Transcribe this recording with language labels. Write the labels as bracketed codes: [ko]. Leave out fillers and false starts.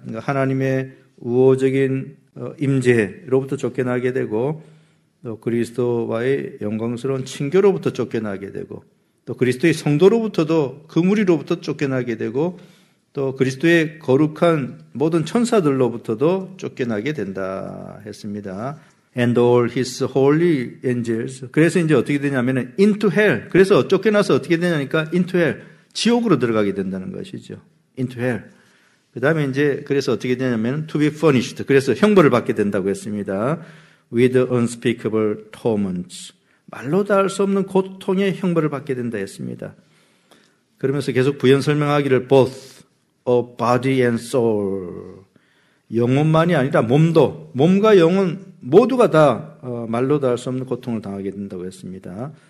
[ko] 그러니까 하나님의 우호적인 임재로부터 쫓겨나게 되고 또 그리스도와의 영광스러운 친교로부터 쫓겨나게 되고 또 그리스도의 성도로부터도 그 무리로부터 쫓겨나게 되고 또 그리스도의 거룩한 모든 천사들로부터도 쫓겨나게 된다 했습니다. [en] And all his holy angels. [ko] 그래서 이제 어떻게 되냐면 [en] into hell. [ko] 그래서 쫓겨나서 어떻게 되냐니까 into hell. 지옥으로 들어가게 된다는 것이죠. [en] into hell. [ko] 그 다음에 이제 그래서 어떻게 되냐면 [en] to be punished. [ko] 그래서 형벌을 받게 된다고 했습니다. [en] with unspeakable torments. [ko] 말로 다할 수 없는 고통의 형벌을 받게 된다 했습니다. 그러면서 계속 부연 설명하기를 [en] both. A body and soul. [ko] 영혼만이 아니라 몸도, 몸과 영혼 모두가 다 말로 다 할 수 없는 고통을 당하게 된다고 했습니다.